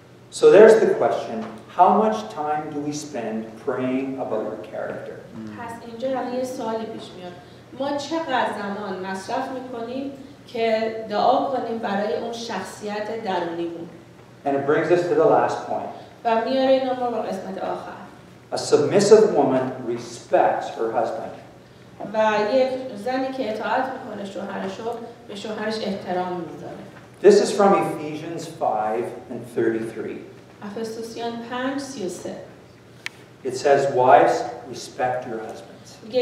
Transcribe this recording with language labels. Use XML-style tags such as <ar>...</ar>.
<en>So there's the question, how much time do we spend praying about our character?</en> <fa>پس اینجا یه سوالی پیش میاد. ما چقدر زمان مصرف میکنیم که دعا کنیم برای اون شخصیت درونیمون؟</fa> <en>And it brings us to the last point.</en> <fa>و میاره اینو ما به قسمت آخر.</fa> <en>A submissive woman respects her husband.</en> <fa>و یک زنی که اطاعت میکنه شوهرشو به شوهرش احترام میذاره.</fa> <en>This is from Ephesians 5 and 33. Ephesians 5, 33. It says, wives, respect your husbands.</en>